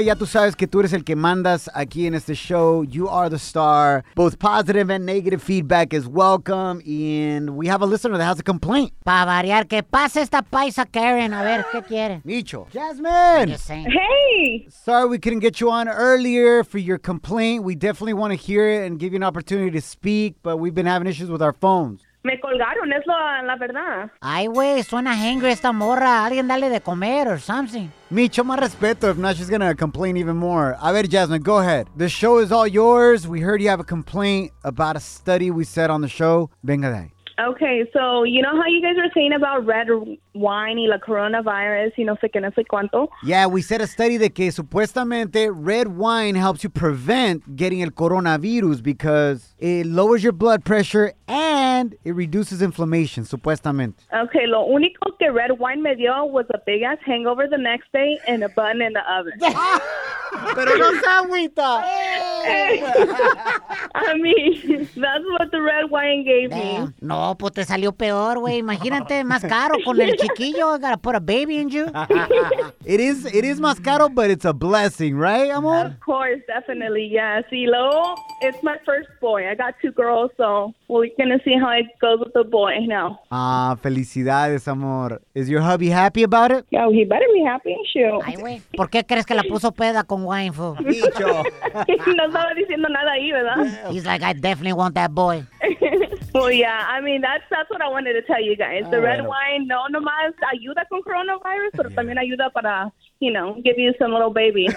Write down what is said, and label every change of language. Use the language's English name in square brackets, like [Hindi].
[Spanish] Ya tú sabes que tú eres el que mandas aquí en este show. [English] You are the star. Both positive and negative feedback is welcome. And we have a listener that has a complaint. [Spanish] Para variar, que pase esta paisa Karen. A ver, ¿qué quiere? Micho. Jasmine. [English] Just saying. Hey. Sorry we couldn't get you on earlier for your complaint. We definitely want to hear it and give you an opportunity to speak. But we've been having issues with our phones. [Spanish] Me colgaron, es la verdad. Ay, güey, suena hangry esta morra. Alguien dale de comer [English] or something. Micho, [Spanish] más respeto. [English] If not, she's gonna complain even more. [Spanish] A ver, [English] Jasmine, go ahead. The show is all yours. We heard you have a complaint about a study we said on the show. [Spanish] Venga de ahí. [English] Okay, so you know how you guys were saying about red wine [Spanish] y la coronavirus y no sé qué, no sé cuánto? [English] Yeah, we said a study [Spanish] de que supuestamente [English] red wine helps you prevent getting el coronavirus because it lowers your blood pressure and it reduces inflammation, supuestamente. Okay, [Spanish] lo único que [English] red wine [Spanish] me dio [English] was a big ass hangover the next day and a bun in the oven. [Spanish] Pero no se agüita. [English] I mean, that's what the red wine gave me. [Spanish] No, pues te salió peor, güey. Imagínate, más caro con el chiquillo. [English] I gotta put a baby in you. It is [Spanish] más caro, [English] but it's a blessing, right, [Spanish] amor? [English] Of course, definitely, yes. [Spanish] Y luego, [English] it's my first boy. I got 2 girls, so we're gonna see how it goes with the boy now. [Spanish] Ah, felicidades, amor. [English] Is your hubby happy about it? Yeah, he better be happy, shoot. [Spanish] Ay, güey, ¿por qué crees que la puso peda con wine, fu? Dicho. No estaba diciendo nada ahí, ¿verdad? [English] He's like, I definitely want that boy. Well, yeah, I mean, that's what I wanted to tell you guys. The red wine, [Spanish] no nomás ayuda con coronavirus, pero también ayuda para, [English] you know, give you some little baby.